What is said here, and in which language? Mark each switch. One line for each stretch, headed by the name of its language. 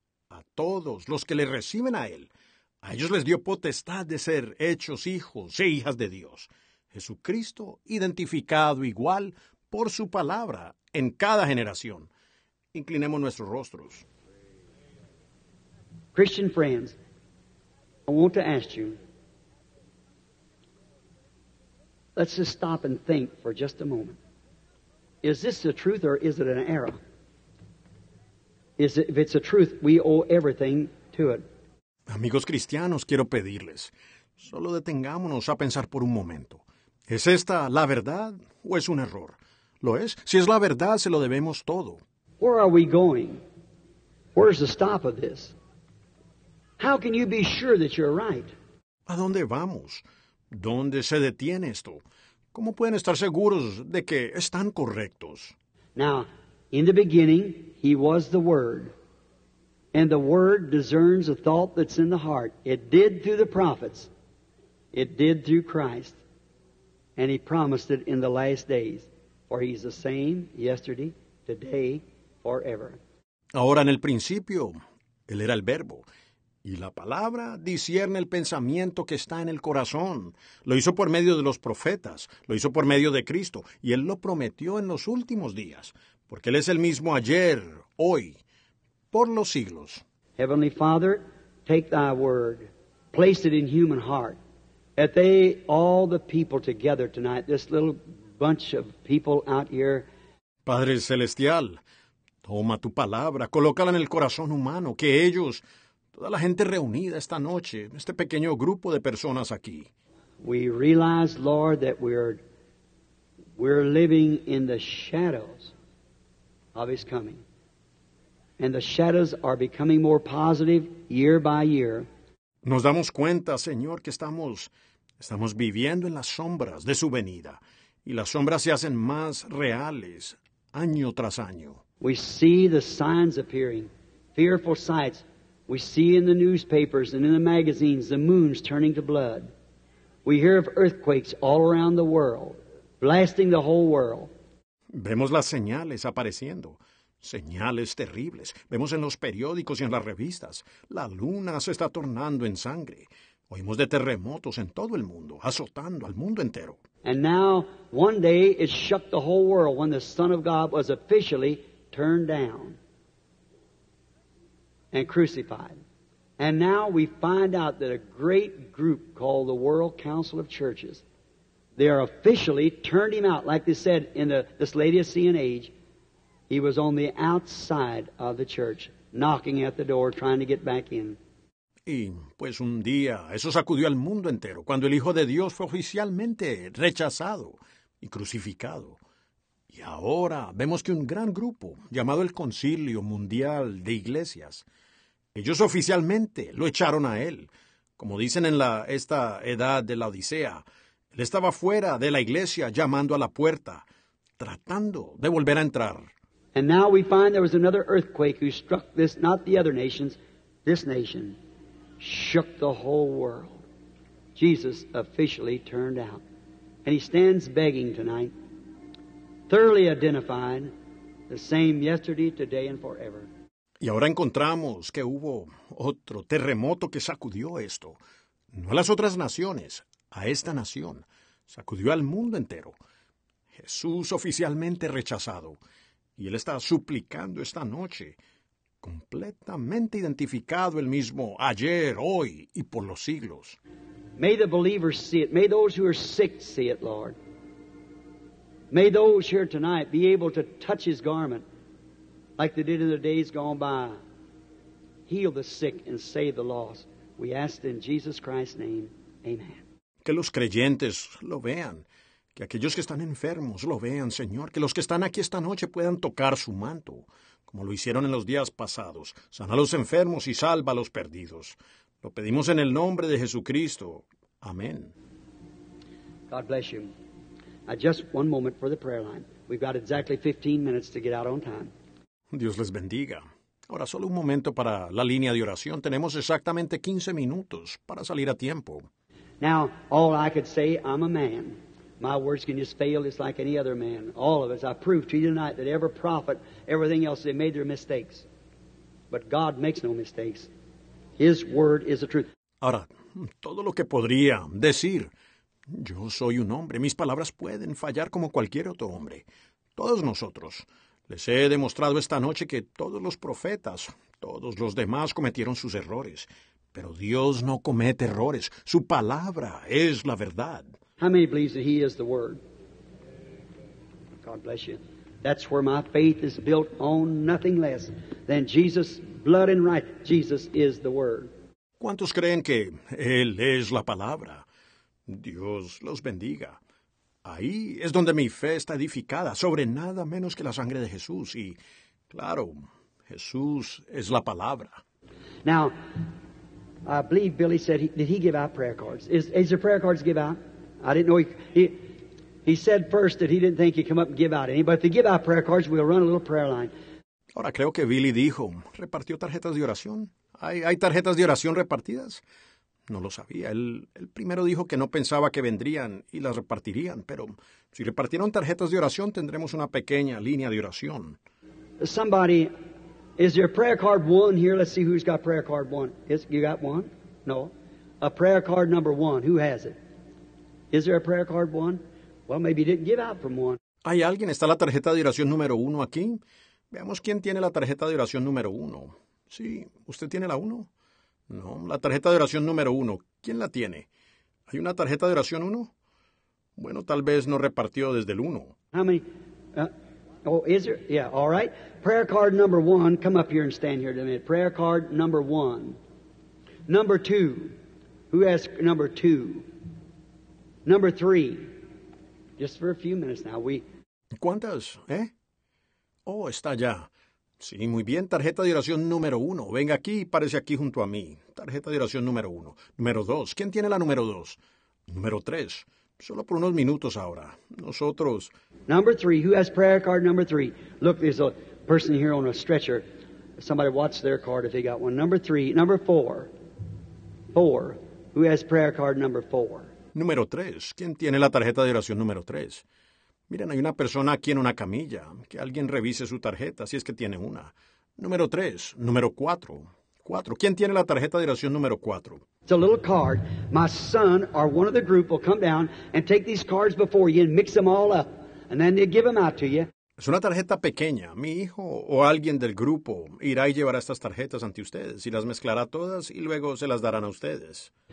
Spanish: A todos los que le reciben a él, a ellos les dio potestad de ser hechos hijos e hijas de Dios. Jesucristo, identificado igual por su palabra en cada generación. Inclinemos nuestros rostros.
English: Christian friends, I want to ask you, let's just stop and think for just a moment. Is this the truth or is it an error? If it's the truth, we owe everything to it.
Spanish: Amigos cristianos, quiero pedirles, solo detengámonos a pensar por un momento. ¿Es esta la verdad o es un error? Lo es. Si es la verdad, se lo debemos todo.
English: Where are we going? Where's the stop of this? How can you be sure that you're right?
Spanish: ¿A dónde vamos? ¿Dónde se detiene esto? ¿Cómo pueden estar seguros de que están correctos?
English: Now, in the beginning, he was the Word. And the Word discerns the thought that's in the heart. It did through the prophets. It did through Christ. And he promised it in the last days. For he's the same yesterday, today, forever.
Spanish: Ahora, en el principio, él era el Verbo. Y la palabra discierne el pensamiento que está en el corazón. Lo hizo por medio de los profetas. Lo hizo por medio de Cristo. Y él lo prometió en los últimos días. Porque él es el mismo ayer, hoy, por los siglos.
English: Heavenly Father, take thy word, place it in human heart, that they, all the people together tonight, this little bunch of people out here.
Spanish: Padre Celestial, toma tu palabra, colócala en el corazón humano, que ellos, toda la gente reunida esta noche, este pequeño grupo de personas aquí.
English: We realize, Lord, that we're living in the shadows of His coming. And the shadows are becoming more positive year by year.
Spanish: Nos damos cuenta, Señor, que estamos viviendo en las sombras de su venida. Y las sombras se hacen más reales año tras año.
English: We see the signs appearing, fearful sights. We see in the newspapers and in the magazines the moons turning to blood. We hear of earthquakes all around the world, blasting the whole world.
Spanish: Vemos las señales apareciendo. Señales terribles. Vemos en los periódicos y en las revistas. La luna se está tornando en sangre. Oímos de terremotos en todo el mundo, azotando al mundo entero.
English: And now, one day, it shook the whole world when the Son of God was officially turned down and crucified. And now we find out that a great group called the World Council of Churches, they are officially turned him out, like they said in this Laodicean age. He was on the outside of the church, knocking at the door, trying to get back in.
Spanish: Y, pues, un día, eso sacudió al mundo entero, cuando el Hijo de Dios fue oficialmente rechazado y crucificado. Y ahora vemos que un gran grupo, llamado el Concilio Mundial de Iglesias, ellos oficialmente lo echaron a él. Como dicen en esta edad de la Odisea, él estaba fuera de la iglesia, llamando a la puerta, tratando de volver a entrar.
English: And now we find there was another earthquake who struck this, not the other nations, this nation, shook the whole world. Jesus officially turned out. And he stands begging tonight, thoroughly identified, the same yesterday, today, and forever.
Spanish: Y ahora encontramos que hubo otro terremoto que sacudió esto. No a las otras naciones, a esta nación. Sacudió al mundo entero. Jesús oficialmente rechazado. Y él está suplicando esta noche, completamente identificado el mismo ayer, hoy y por los siglos.
English: May the believers see it. May those who are sick see it, Lord. May those here tonight be able to touch his garment like they did in the days gone by. Heal the sick and save the lost. We ask in Jesus Christ's name. Amen.
Spanish: Que los creyentes lo vean. Que aquellos que están enfermos lo vean, Señor. Que los que están aquí esta noche puedan tocar su manto, como lo hicieron en los días pasados. Sana a los enfermos y salva a los perdidos. Lo pedimos en el nombre de Jesucristo. Amén.
English: God bless you. Just one moment for the prayer line. We've got exactly 15 minutes to get out on time.
Spanish: Dios les bendiga. Ahora solo un momento para la línea de oración. Tenemos exactamente 15 minutos para salir a tiempo.
English: Now, all I could say, I'm a man. My words can just fail just like any other man. All of us. I prove to you tonight that every prophet, everything else, they made their mistakes. But God makes no mistakes. His word is the truth.
Spanish: Ahora, todo lo que podría decir, yo soy un hombre. Mis palabras pueden fallar como cualquier otro hombre. Todos nosotros. Les he demostrado esta noche que todos los profetas, todos los demás cometieron sus errores. Pero Dios no comete errores. Su palabra es la verdad.
English: How many believes that He is the Word? God bless you. That's where my faith is built on nothing less than Jesus' blood and right. Jesus is the Word.
Spanish: ¿Cuántos creen que Él es la palabra? Dios los bendiga. Ahí es donde mi fe está edificada, sobre nada menos que la sangre de Jesús. Y, claro, Jesús es la palabra.
English: Now, I believe Billy said, did he give out prayer cards? Is the prayer cards give out? I didn't know he said first that he didn't think he'd come up and give out any, but if they give out prayer cards, we'll run a little prayer line.
Spanish: Ahora creo que Billy dijo, ¿repartió tarjetas de oración? ¿Hay tarjetas de oración repartidas? No lo sabía. Él primero dijo que no pensaba que vendrían y las repartirían, pero si repartieron tarjetas de oración, tendremos una pequeña línea de oración.
English: Somebody, is there a prayer card one here? Let's see who's got prayer card one. You got one? No. A prayer card number one. Who has it? Is there a prayer card one? Well, maybe you didn't give out from one.
Spanish: ¿Hay alguien? ¿Está la tarjeta de oración número uno aquí? Veamos quién tiene la tarjeta de oración número uno. Sí, ¿usted tiene la uno? No, la tarjeta de oración número uno. ¿Quién la tiene? ¿Hay una tarjeta de oración uno? Bueno, tal vez no repartió desde el uno.
English: How many? Is there? Yeah, all right. Prayer card number one. Come up here and stand here a minute. Prayer card number one. Number two. Who has number two? Number three. Just for a few minutes now.
Spanish: ¿Cuántas? Oh, está allá. Sí, muy bien. Tarjeta de oración número uno. Venga aquí y párese aquí junto a mí. Tarjeta de oración número uno. Número dos. ¿Quién tiene la número dos? Número tres. Solo por unos minutos ahora. Nosotros.
English: Number three. Who has prayer card number three? Look, there's a person here on a stretcher. Somebody watch their card if they got one. Number three. Number four. Four. Who has prayer card number four?
Spanish: Número tres. ¿Quién tiene la tarjeta de oración número tres? Miren, hay una persona aquí en una camilla. Que alguien revise su tarjeta, si es que tiene una. Número tres. Número cuatro. Cuatro. ¿Quién tiene la tarjeta de oración número cuatro?
English: It's a little card. My son or one of the group will come down and take these cards before you and mix them all up. And then they give them out to you.
Spanish: Es una tarjeta pequeña. Mi hijo o alguien del grupo irá y llevará estas tarjetas ante ustedes y las mezclará todas y luego se las darán a ustedes.